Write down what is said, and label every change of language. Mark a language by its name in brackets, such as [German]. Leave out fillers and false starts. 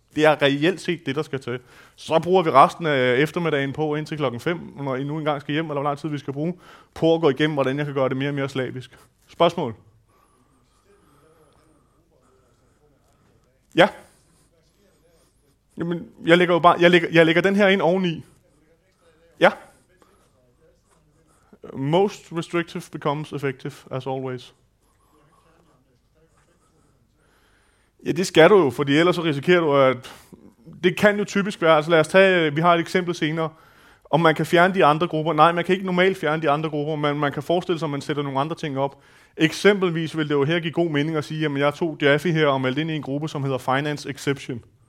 [Danish] Det er reelt set det, der skal til. Så bruger vi resten af eftermiddagen på indtil klokken 5, når I nu engang skal hjem, eller hvor lang tid vi skal bruge, på at gå igennem, hvordan jeg kan gøre det mere og mere slavisk. Spørgsmål? Ja. Jamen, jeg lægger den her ind oveni. Ja. [English] Most restrictive becomes effective, as always. [Danish] Ja, det skal du jo, fordi ellers så risikerer du, at det kan jo typisk være, altså lad os tage, vi har et eksempel senere, om man kan fjerne de andre grupper. Nej, man kan ikke normalt fjerne de andre grupper, men man kan forestille sig, at man sætter nogle andre ting op. Eksempelvis vil det jo her give god mening at sige, jamen jeg tog Jaffe her og meldte ind i en gruppe, som hedder Finance Exception.